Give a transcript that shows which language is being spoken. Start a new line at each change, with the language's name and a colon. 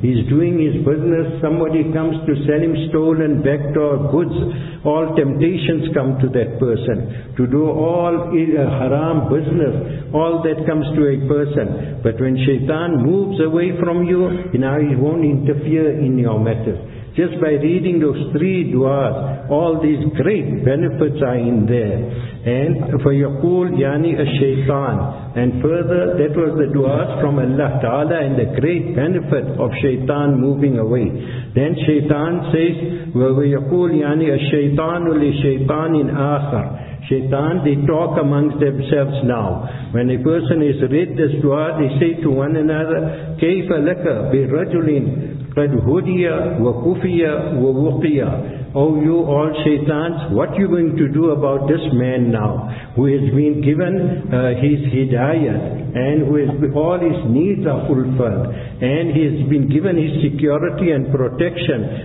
English: He's doing his business, somebody comes to sell him stolen vector goods, all temptations come to that person. To do all haram business, all that comes to a person. But when shaitan moves away from you, now he won't interfere in your matters. Just by reading those three duas, all these great benefits are in there.
Arabic: And فَيَقُولْ يَعْنِي الشَّيْطَانِ.
English: And further, that was the duas from Allah Ta'ala and the great benefit of shaitan moving away. Then shaitan says,
Arabic: وَيَقُولْ يَعْنِي الشَّيْطَانُ لِشَيْطَانٍ آخَرٍ.
English: Shaitan, they talk amongst themselves now. When a person is read this dua, they say to one another,
Arabic: كَيْفَ لَكَ بِرَجُلٍ قَدْ هُدِيَ وَكُفِيَ وَوُقِيَ.
English: Oh you all shaitans, what are you going to do about this man now, who has been given his hidayat, and who has all his needs are fulfilled, and he has been given his security and protection.